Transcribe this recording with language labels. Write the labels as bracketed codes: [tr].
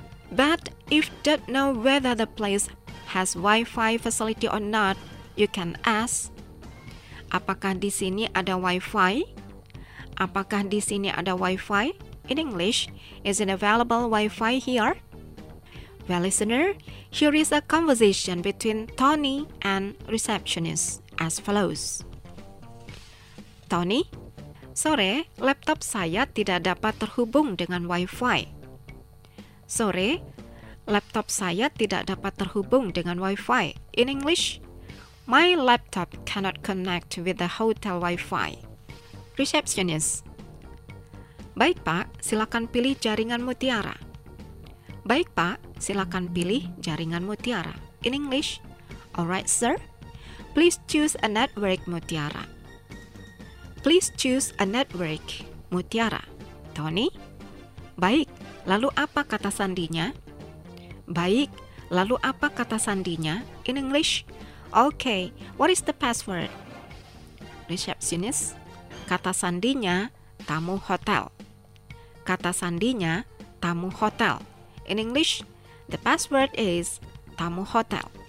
[en] But if you don't know whether the place has Wi-Fi facility or not, you can ask, [id] apakah di sini ada Wi-Fi? Apakah di sini ada Wi-Fi? [en] In English, is it available Wi-Fi here? Well, listener, here is a conversation between Tony and receptionist as follows. [id] Tony, sore, laptop saya tidak dapat terhubung dengan Wi-Fi. Sore, laptop saya tidak dapat terhubung dengan Wi-Fi. [en] In English, my laptop cannot connect with the hotel Wi-Fi. [id] Receptionist, baik pak, silakan pilih jaringan mutiara. Baik pak, silakan pilih jaringan mutiara. [en] In English, alright sir, please choose a network mutiara. Please choose a network mutiara. [id] Tony, baik, lalu apa kata sandinya? Baik, lalu apa kata sandinya? [en] In English, okay, what is the password? Receptionist, [id] kata sandinya, tamu hotel. Kata sandinya, tamu hotel. [en] In English, the password is tamu hotel.